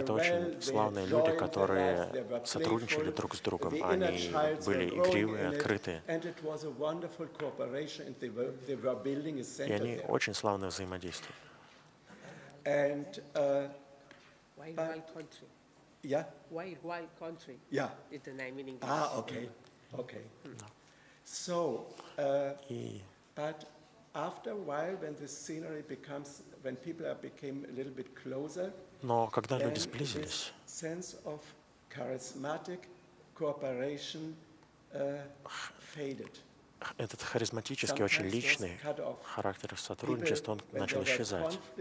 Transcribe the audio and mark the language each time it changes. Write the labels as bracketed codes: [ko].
[ru] Это очень славные люди, которые сотрудничали друг с другом. Они были игривые, открытые. [en] And it was a wonderful cooperation and they were building a center. [ru] И они очень славно взаимодействовали. [en] And Wild country. Yeah. Is the name in English. Ah, okay. No. So, but after a while, when the scenery becomes, when people are became a little bit closer, [ru] но когда люди сблизились, [en] this sense of charismatic cooperation faded. [ru] Этот харизматический, очень личный характер сотрудничества, он начал исчезать.